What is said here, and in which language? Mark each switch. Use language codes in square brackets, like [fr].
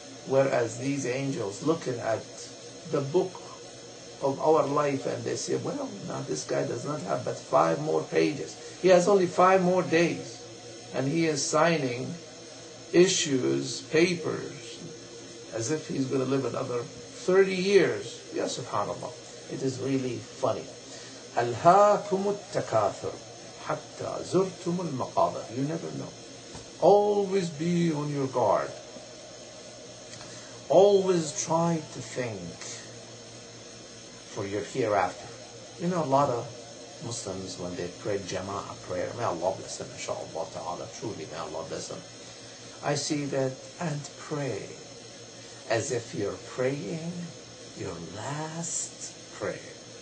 [en] Whereas these angels looking at the book of our life and they say, well, now this guy does not have but 5 more pages. He has only 5 more days. And he is signing issues, papers, as if he's going to live another 30 years. Yes, subhanAllah. It is really funny. [ar] أَلْهَاكُمُ التَّكَاثُرُ حَتَّى زُرْتُمُ الْمَقَابَرُ. [en] You never know. Always be on your guard. Always try to think for your hereafter. You know, a lot of Muslims, when they pray jama'ah prayer, may Allah bless them, inshaAllah ta'ala, truly may Allah bless them. I see that, and pray as if you're praying your last prayer.